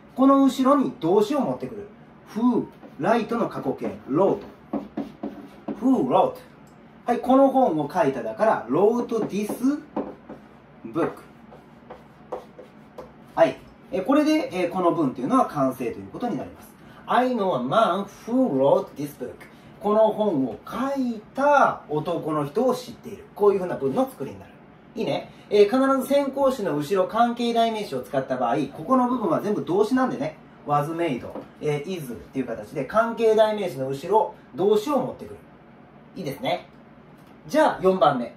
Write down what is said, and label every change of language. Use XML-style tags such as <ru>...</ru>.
<ja>この後ろに動詞を持ってくる。 who、 light の過去形 wrote、</ja> <en>Who wrote?</en> <ja>はい、この本を書いただから</ja> <en>wrote this book。</en> <ja>はい、これで、この文というのは完成ということになります。</ja> <en>I know a man who wrote this book。</en> <ja>この本を書いた男の人を知っている、こういうふうな文の作りになる。いいね。必ず先行詞の後ろ関係代名詞を使った場合、ここの部分は全部動詞なんでね、</ja> <en>was made、</en> <ja>is っていう形で関係代名詞の後ろ動詞を持ってくる。いいですね。じゃあ4番目。</ja>